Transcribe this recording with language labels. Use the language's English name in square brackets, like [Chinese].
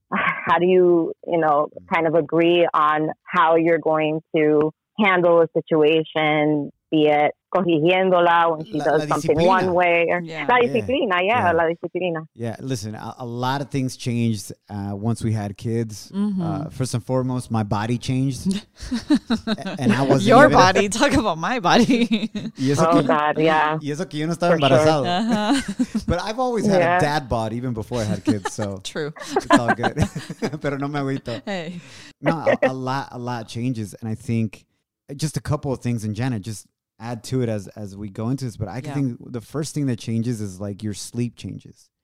[English] How do you, you know, kind of agree on how you're going to handle a situation? Be it corrigiéndola when she does something one way. Yeah. [Spanish] La disciplina, la disciplina. [English] Yeah, listen, a lot of things changed once we had kids. Mm-hmm. First and foremost, my body changed. And I wasn't your even... body? Talk about my body. [Spanish] Y eso que yo no estaba embarazado. [English] Sure. But I've always had a dad bod even before I had kids, so. True. It's all good. [Spanish] Pero no me agüito. [English] Hey. No, a lot changes, and I think just a couple of things, and Janet, just add to it as we go into this, but I think the first thing that changes is like your sleep changes.